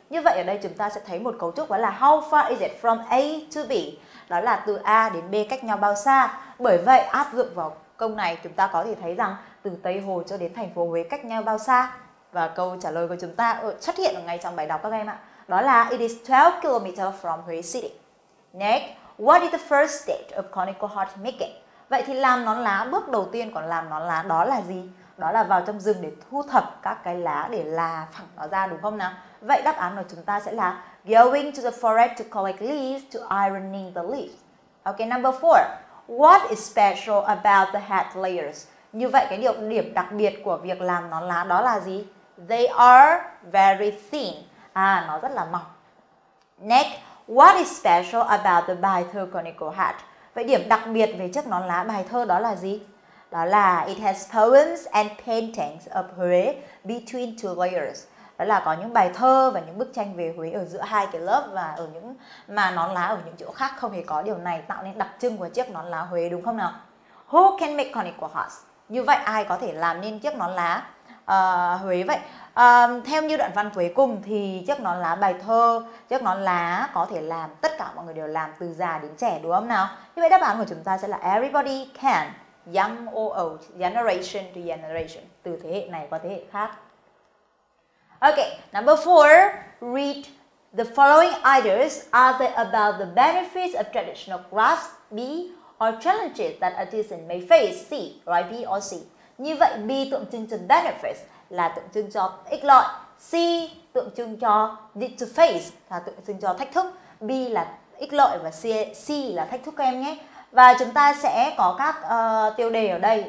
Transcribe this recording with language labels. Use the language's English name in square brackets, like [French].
[Vietnamese] Như vậy ở đây chúng ta sẽ thấy một cấu trúc đó là [English] how far is it from A to B? [Vietnamese] Đó là từ A đến B cách nhau bao xa? Bởi vậy áp dụng vào câu này chúng ta có thể thấy rằng từ Tây Hồ cho đến thành phố Huế cách nhau bao xa? Và câu trả lời của chúng ta xuất hiện ở ngay trong bài đọc các em ạ. Đó là [English] it is 12 km from Huế City. Next, what is the first stage of conical heart making? [Vietnamese] Vậy thì làm nón lá, bước đầu tiên của làm nón lá đó là gì? Đó là vào trong rừng để thu thập các cái lá để là phẳng nó ra đúng không nào? Vậy đáp án của chúng ta sẽ là [English] going to the forest to collect leaves to ironing the leaves. Ok, number 4. What is special about the hat layers? [Vietnamese] Như vậy cái điểm đặc biệt của việc làm nón lá đó là gì? [English] They are very thin. [Vietnamese] À, nó rất là mỏng. [English] Next, what is special about the bài thơ conical hat? [Vietnamese] Vậy điểm đặc biệt về chiếc nón lá bài thơ đó là gì? Đó là [English] it has poems and paintings of Huế between two layers. [Vietnamese] Đó là có những bài thơ và những bức tranh về Huế ở giữa hai cái lớp và ở những mà nón lá ở những chỗ khác không hề có. Điều này tạo nên đặc trưng của chiếc nón lá Huế đúng không nào? [English] Who can make conical hats? [Vietnamese] Như vậy ai có thể làm nên chiếc nón lá Huế vậy? Theo như đoạn văn cuối cùng thì chiếc nón lá bài thơ, chiếc nón lá có thể làm, tất cả mọi người đều làm từ già đến trẻ đúng không nào? Như vậy đáp án của chúng ta sẽ là [English] everybody can, young or old, generation to generation, [Vietnamese] từ thế hệ này qua thế hệ khác. [English] Ok, number 4, read the following ideas. Are they about the benefits of traditional crafts? B, or challenges that artisans may face? C, right? B or C? [Vietnamese] Như vậy, B tượng trưng cho benefits là tượng trưng cho ích lợi. C tượng trưng cho [English] need to face [Vietnamese] là tượng trưng cho thách thức. B là ích lợi và C là thách thức các em nhé. Và chúng ta sẽ có các tiêu đề ở đây.